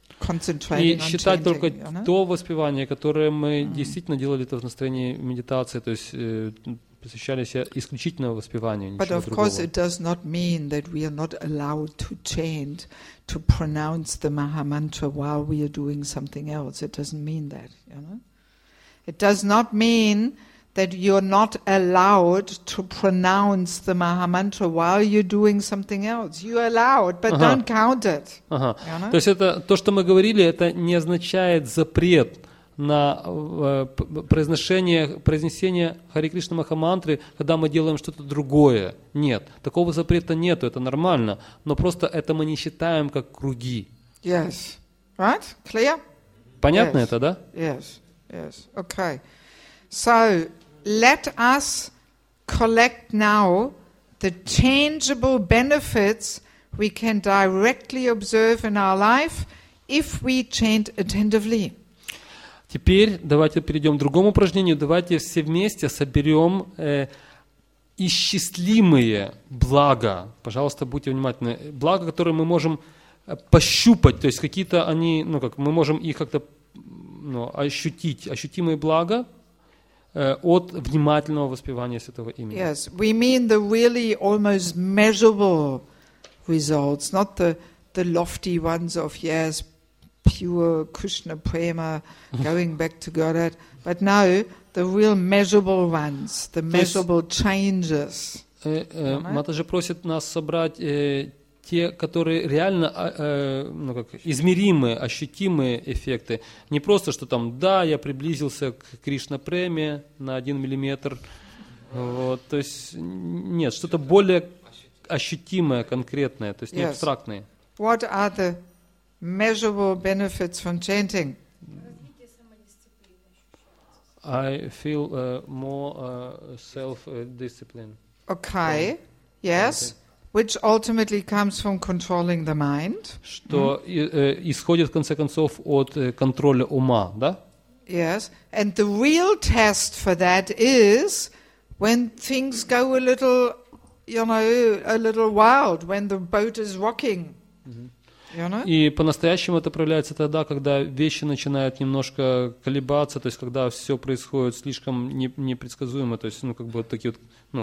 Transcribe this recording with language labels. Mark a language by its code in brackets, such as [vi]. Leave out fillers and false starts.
[ru] и считать [en] changing, [ru] только [en] you know? [ru] То воспевание, которое мы действительно делали в настроении медитации, то есть посвящали себя исключительно воспеванию, ничего другого. [en] But of course it does not mean that we are not allowed to chant, to pronounce the Maha Mantra while we are doing something else. It doesn't mean that, you know? It does not mean that you're not allowed to pronounce the Mahamantra while you're doing something else. You're allowed, but don't count it. [ru] То есть это то, что мы говорили, это не означает запрет на произнесение Хари Кришна Махамантры, когда мы делаем что-то другое. Нет, такого запрета нет, это нормально. Но просто это мы не считаем как круги. [en] Yes. Right? Clear? [ru] Понятно [en] yes. [ru] это, да? [en] Yes. Yes. Okay. So, let us collect now the tangible benefits we can directly observe in our life if we chant attentively. [ru] Теперь давайте перейдем к другому упражнению. Давайте все вместе соберем исчислимые блага. Пожалуйста, будьте внимательны. Блага, которые мы можем пощупать, то есть какие-то они, ну как, мы можем их как-то ну, ощутить, ощутимые блага от внимательного воспевания святого имени. [en] Yes, we mean the really almost measurable results, not the lofty ones of yes, pure Krishna prema, going back to Godhead, but no, the real measurable ones, the measurable changes. [ru] Матаджи просит нас собрать те, которые реально ну, как, измеримые, ощутимые эффекты. Не просто, что там, да, я приблизился к Кришна-преме на один миллиметр. Вот, то есть, нет, что-то более ощутимое, конкретное, то есть не абстрактное. [en] What are the measurable benefits from chanting? I feel more self-discipline. Okay, yes. Which ultimately comes from controlling the mind. [ru] Что исходит, в конце концов, от контроля ума, да? [en] Yes. And the real test for that is when things go a little, you know, a little wild, when the boat is rocking. You know? [ru] И по-настоящему это проявляется тогда, когда вещи начинают немножко колебаться, то есть когда все происходит слишком непредсказуемо, то есть ну, как бы вот такие вот ну,